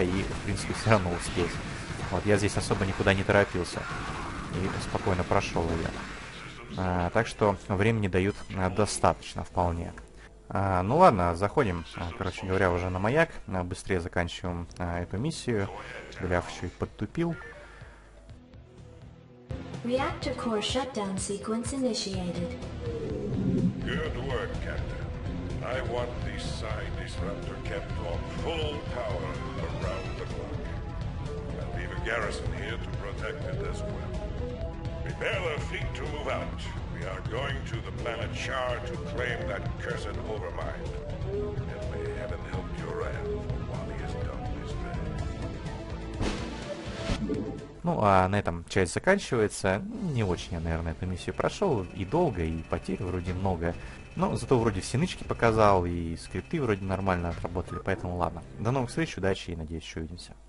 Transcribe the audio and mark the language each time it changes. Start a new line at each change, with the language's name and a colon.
Russian: И, в принципе, все равно успеть. Вот, я здесь особо никуда не торопился. И спокойно прошел ее. Так что времени дают достаточно вполне. Ну ладно, заходим, короче говоря, уже на маяк. Быстрее заканчиваем эту миссию. Голиаф еще и подтупил.
English: Реактор core shutdown sequence initiated. Good work, Captain. I want this side disruptor kept on full power around the clock. I'll leave a garrison here to protect it as well. Prepare the fleet to move out. We are going to the planet Char to claim that cursed overmind. And may heaven help Uran while he has done his best.
Russian: Ну, а на этом часть заканчивается. Не очень я, наверное, эту миссию прошел. И долго, и потерь вроде много. Но зато вроде все нычки показал, и скрипты вроде нормально отработали. Поэтому ладно. До новых встреч, удачи, и надеюсь, еще увидимся.